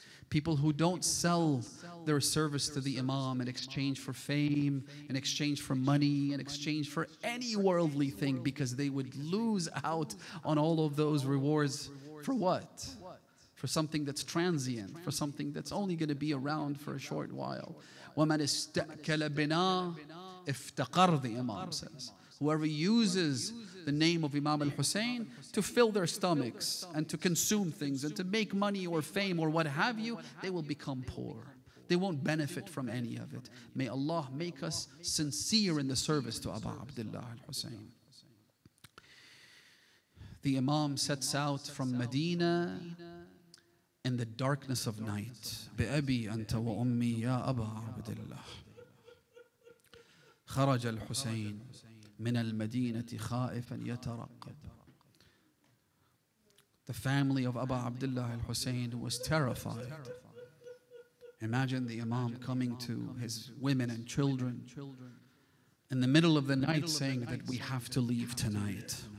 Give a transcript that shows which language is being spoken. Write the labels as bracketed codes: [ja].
[en] People who don't sell their service to the Imam in exchange for fame, in exchange for money, in exchange for any worldly thing, because they would lose out on all of those rewards. For what? For something that's transient, for something that's only going to be around for a short while. [ar] وَمَنْ اسْتَأْكَلَ بِنَا افْتَقَرْ, [en] the Imam says. Whoever uses the name of Imam al-Hussein to fill their stomachs and to consume things and to make money or fame or what have you, they will become poor. They won't benefit from any of it. May Allah make us sincere in the service to Abu Abdullah al-Hussein. The Imam sets out from Medina in the darkness of night. [ar] بِأَبِي أَنْتَ وَأُمِّي يَا أَبَا عَبْدِ اللَّهِ خَرَجَ الْحُسَيْنِ من المدينة خائفا يترقب. [en] The family of Abu Abdullah al-Hussein was terrified. Imagine the Imam coming to his women and children in the middle of the night saying that we have to leave tonight.